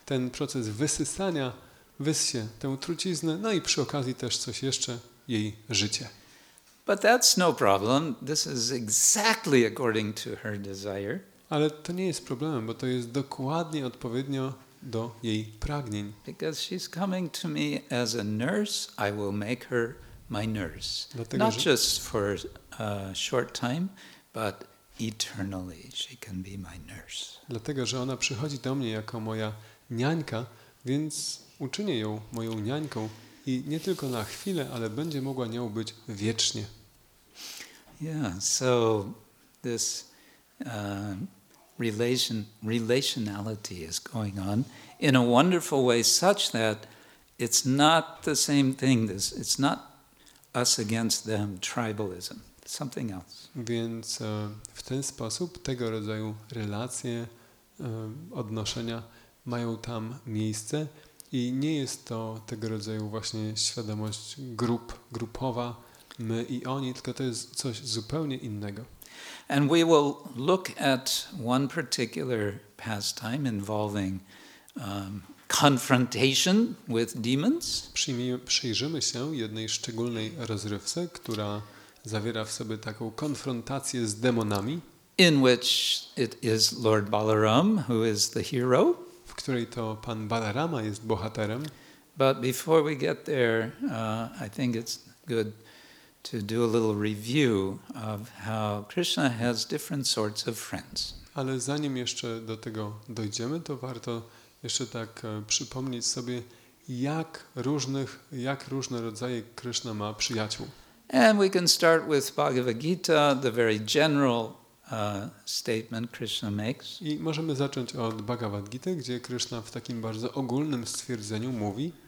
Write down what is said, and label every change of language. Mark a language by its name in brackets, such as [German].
[Polish] Ten proces wysysania wyssie tę truciznę, no i przy okazji też coś jeszcze, jej życie. [English] But that's no problem. This is exactly according to her desire. [Polish] Ale to nie jest problemem, bo to jest dokładnie odpowiednio do jej pragnień. [English] Because she's coming to me as a nurse, I will make her my nurse. [Polish] Dlatego, [English] not just for a short time, but eternally she can be my nurse. [Polish] Dlatego, że ona przychodzi do mnie jako moja niańka, więc uczynię ją moją niańką i nie tylko na chwilę, ale będzie mogła nią być wiecznie. [English] Yeah, so this relationality is going on in a wonderful way, such that it's not the same thing. This, it's not us against them, tribalism, something else. [Polish] Więc w ten sposób tego rodzaju relacje, odnoszenia mają tam miejsce. I nie jest to tego rodzaju właśnie świadomość grupowa, my i oni, tylko to jest coś zupełnie innego. [English] And we will look at one particular pastime involving confrontation with demons. [Polish] Przyjrzymy się jednej szczególnej rozrywce, która zawiera w sobie taką konfrontację z demonami. [English] In which it is Lord Balaram who is the hero. [Polish] W której to pan Balarama jest bohaterem. [English] But before we get there, I think it's good to do a little review of how Krishna has different sorts of friends. [Polish] Ale zanim jeszcze do tego dojdziemy, to warto jeszcze tak przypomnieć sobie, jak różne rodzaje Krishna ma przyjaciół. [English] And we can start with Bhagavad Gita, the very general statement Krishna makes. [Polish] I możemy zacząć od Bhagavad Gita, gdzie Krishna w takim bardzo ogólnym stwierdzeniu mówi: